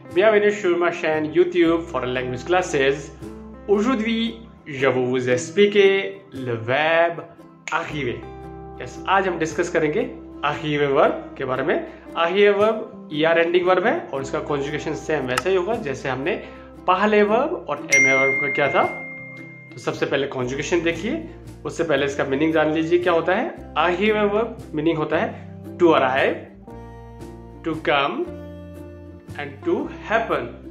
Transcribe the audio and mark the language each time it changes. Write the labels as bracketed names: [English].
[French] Bienvenue sur ma chaîne YouTube [English] for language classes. [French] Aujourd'hui, je vais vous expliquer le verbe arriver. [Hindi] Yes, आज हम discuss करेंगे arrive verb के बारे में. Arrive verb ER ending verb है और इसका conjugation same वैसे ही होगा जैसे हमने पहले verb और MA verb का किया था. तो सबसे पहले conjugation देखिए, उससे पहले इसका meaning जान लीजिए क्या होता है. [English] Arrive verb meaning [Hindi] होता है [English] to arrive, to come and to happen.